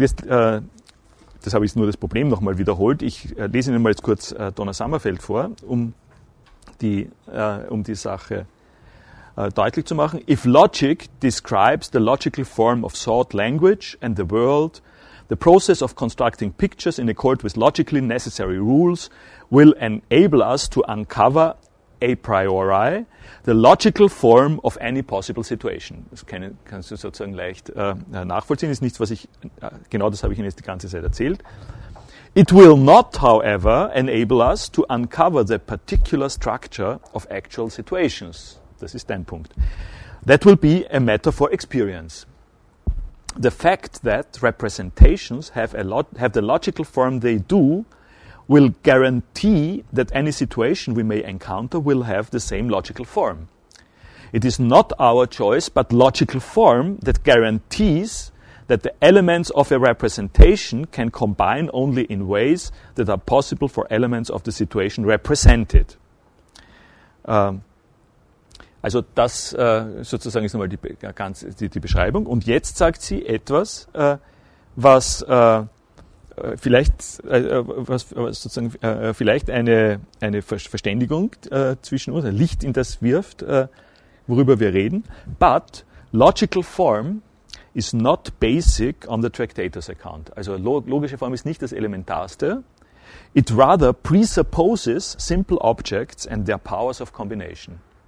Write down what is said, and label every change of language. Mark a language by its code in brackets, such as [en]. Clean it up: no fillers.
[de] Das habe ich nur das Problem nochmal wiederholt. Ich lese Ihnen mal jetzt kurz Donna Sommerfeld vor, um die Sache deutlich zu machen. [en] If logic describes the logical form of thought, language and the world, the process of constructing pictures in accord with logically necessary rules will enable us to uncover a priori the logical form of any possible situation. [de] Das kannst du sozusagen leicht nachvollziehen. Ist nichts, was ich, genau das habe ich Ihnen jetzt die ganze Zeit erzählt. [en] It will not, however, enable us to uncover the particular structure of actual situations. [de] Das ist dein Punkt. [en] That will be a matter for experience. The fact that representations have the logical form they do will guarantee that any situation we may encounter will have the same logical form. It is not our choice, but logical form that guarantees that the elements of a representation can combine only in ways that are possible for elements of the situation represented. [de] Sozusagen ist nochmal die Beschreibung. Und jetzt sagt sie etwas, was vielleicht eine Verständigung zwischen uns, ein Licht in das wirft, worüber wir reden. [en] But logical form is not basic on the Tractatus account. [de] Also logische Form ist nicht das Elementarste. [en] It rather presupposes simple objects and their powers of combination.